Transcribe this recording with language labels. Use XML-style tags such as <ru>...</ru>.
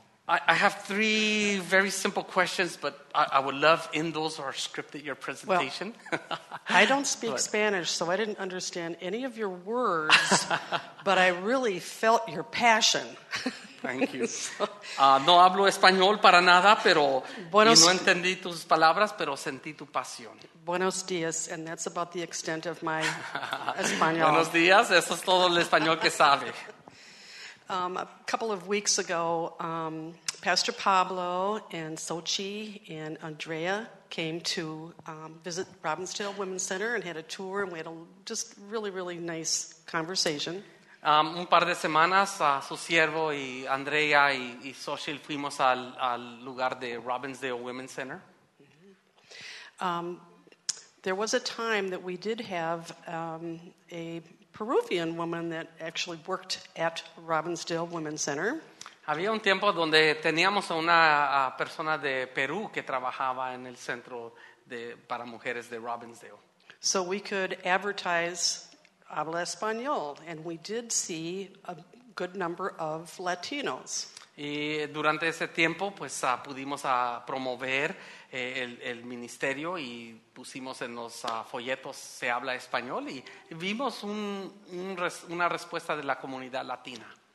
<en>I have three very simple questions, but I would love in those or scripted your presentation. Well, I don't speak Spanish, so I didn't understand any of your words, but I really felt your passion. Thank you.</en> <es>No hablo español para nada, pero y no entendí tus palabras, pero sentí tu pasión. Buenos días,</es> <en>and that's about the extent of my español.</en> <es>Buenos días, eso es todo el español que sabe.</es> <en>A couple of weeks ago, Pastor Pablo and Sochi and Andrea came to visit Robbinsdale Women's Center and had a tour, and we had a just really, really nice conversation.</en> <es>Un par de semanas, su siervo y Andrea y Sochi fuimos al lugar de Robbinsdale Women's Center. Mm-hmm.</es> <en>There was a time that we did have a Peruvian woman that actually worked at Robbinsdale Women's Center.</en> <es>Había un tiempo donde teníamos a una persona de Perú que trabajaba en el centro para mujeres de Robbinsdale.</es> <en>So we could advertise</en> <es>Habla Español,</es> <en>and we did see a good number of Latinos.</en> <es>Y durante ese tiempo, pues pudimos promover el ministerio y pusimos en los folletos Se Habla Español y vimos una respuesta de la comunidad latina.</es>